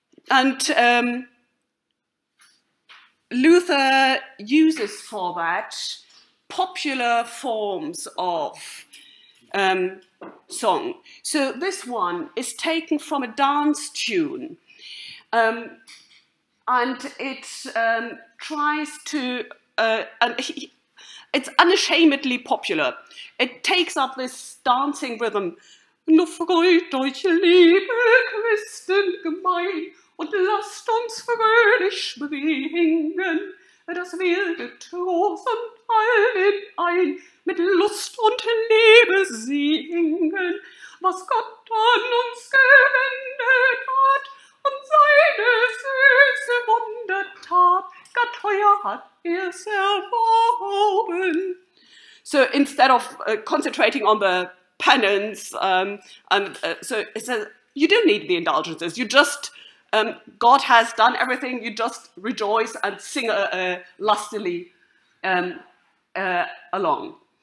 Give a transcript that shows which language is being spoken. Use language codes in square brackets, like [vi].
[en] And Luther uses for that popular forms of song. So this one is taken from a dance tune, and it tries to, it's unashamedly popular. It takes up this dancing rhythm. [de] Nur freut euch, liebe Christengemein, und lasst uns fröhlich springen, dass wir getrost und allen ein mit Lust und Liebe singen, was Gott an uns gewendet hat und seine süße Wundertat, gar teuer hat er's erworben. [en] So instead of concentrating on the penance, so it says, you don't need the indulgences, you just, God has done everything, you just rejoice and sing lustily along.